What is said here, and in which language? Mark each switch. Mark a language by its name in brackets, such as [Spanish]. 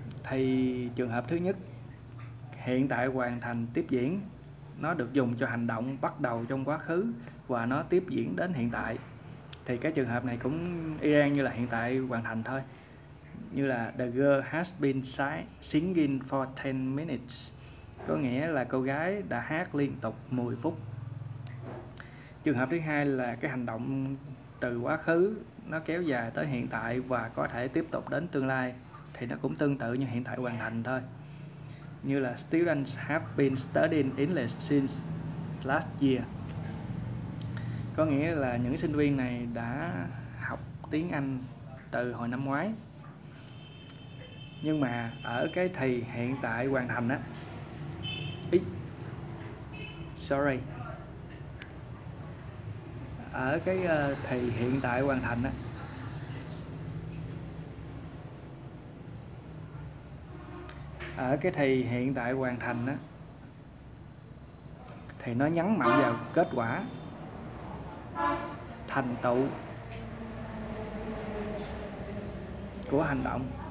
[Vietnamese] Thì trường hợp thứ nhất, hiện tại hoàn thành tiếp diễn, nó được dùng cho hành động bắt đầu trong quá khứ và nó tiếp diễn đến hiện tại. Thì cái trường hợp này cũng y chang như là hiện tại hoàn thành thôi. Như là [English] the girl has been singing for 10 minutes. [Vietnamese] Có nghĩa là cô gái đã hát liên tục 10 phút. Trường hợp thứ hai là cái hành động từ quá khứ nó kéo dài tới hiện tại và có thể tiếp tục đến tương lai. Thì nó cũng tương tự như hiện tại hoàn thành thôi. Như là [English] students have been studying English since last year. [Vietnamese] Có nghĩa là những sinh viên này đã học tiếng Anh từ hồi năm ngoái. Nhưng mà ở cái thì hiện tại hoàn thành á, ở cái thì hiện tại hoàn thành á, ở cái thì hiện tại hoàn thành á, thì nó nhấn mạnh vào kết quả, thành tựu của hành động.